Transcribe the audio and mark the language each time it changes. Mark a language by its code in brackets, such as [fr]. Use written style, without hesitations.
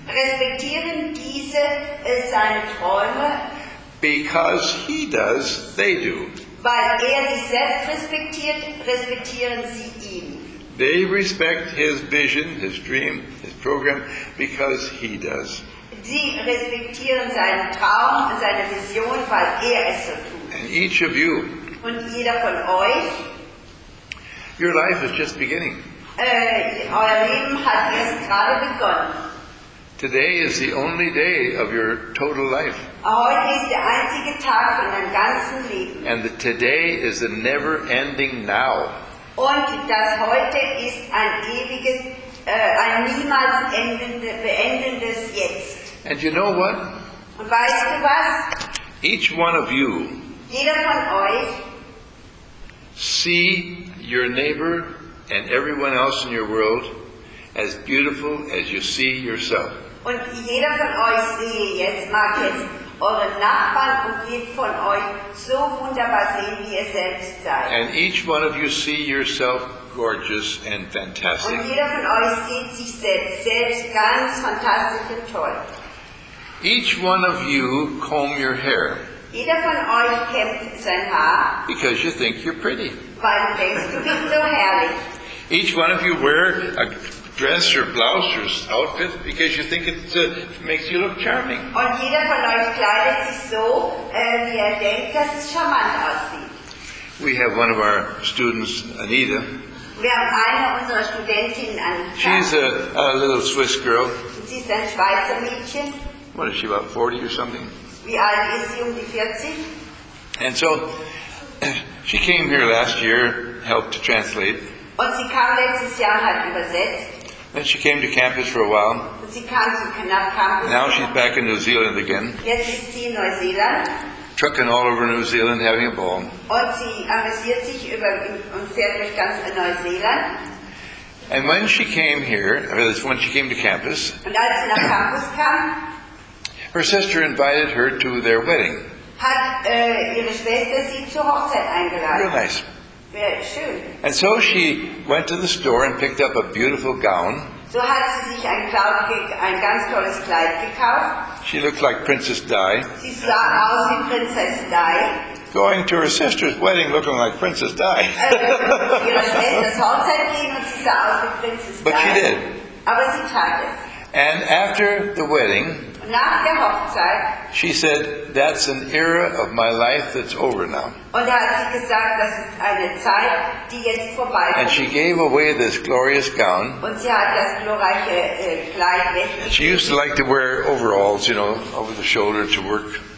[de] Respektieren diese seine Träume? [en] Because he does, they do. [de] Weil sich selbst respektiert, respektieren sie ihn. [en] They respect his vision, his dream, his program, because he does. [de] Sie respektieren seinen Traum und seine Vision, weil es so tut. [en] And each of you, [de] und jeder von euch, [en] your life is just beginning. [de] Euer Leben hat erst gerade begonnen. [en] Today is the only day of your total life. [de] Heute ist der einzige Tag von deinem ganzen Leben. [en] And the today is a never-ending now. [de] Und das heute ist ein ewiges, ein niemals beendendes Jetzt. [en] And you know what? [de] Und weißt du was? [en] Each one of you, [de] jeder von euch, [en] see your neighbor and everyone else in your world as beautiful as you see yourself. [de] Und jeder von euch sehe jetzt, mag jetzt eure Nachbarn und jeden von euch so wunderbar sehen, wie ihr selbst seid. [en] And each one of you see yourself gorgeous and fantastic. [de] Und jeder von euch sieht sich selbst ganz fantastisch und toll. [en] Each one of you comb your hair. [de] Jeder von euch kämmt sein Haar. [en] Because you think you're pretty. [de] Weil du denkst, du bist so herrlich. [en] Each one of you wear a dress or blouse or outfit because you think it makes you look charming. [de] Und jeder von euch kleidet sich so, wie denkt, dass es charmant aussieht. [en] We have one of our students, Anita. [de] Wir haben eine unserer Studentinnen, Anita. [en] She's a little Swiss girl. [de] Sie ist ein Schweizer Mädchen. [en] What is she, about 40 or something? [de] Wie alt ist sie, um die 40? [en] And so, she came here last year, helped to translate. [de] Und sie kam letztes Jahr und hat übersetzt. [en] And she came to campus for a while. [de] Und sie kam zu campus. [en] Now she's back in New Zealand again. [de] Jetzt ist sie in Neuseeland. [en] Trucking all over New Zealand, having a ball. [de] Und sie amüsiert sich über und fährt durch ganz Neuseeland. [en] And when she came here, when she came to campus, [de] und als sie nach Campus kam, [en] her sister invited her to their wedding. [de] Hat ihre Schwester sie zur Hochzeit eingeladen. [en] Real nice. Very [de] schön. [en] And so she went to the store and picked up a beautiful gown. [de] So hat sie sich ein ganz tolles Kleid gekauft. [en] She looked like Princess Di. [de] Sie sah aus wie Prinzess Di. [en] Going to her sister's wedding looking like Princess Di. [de] Ihre Schwester zur Hochzeit ging und sie sah aus wie Princess Di. [en] But she did. [de] Aber sie tat es. [en] And after the wedding, [de] nach der Hochzeit, [en] she said, "That's an era of my life that's over now." [de] Und hat sie gesagt, das ist eine Zeit, die jetzt vorbei ist. [en] And she gave away this glorious gown. [de] Und sie hat das glorreiche Kleid weggegeben. [en] She used to like to wear overalls, you know, over the shoulder to work.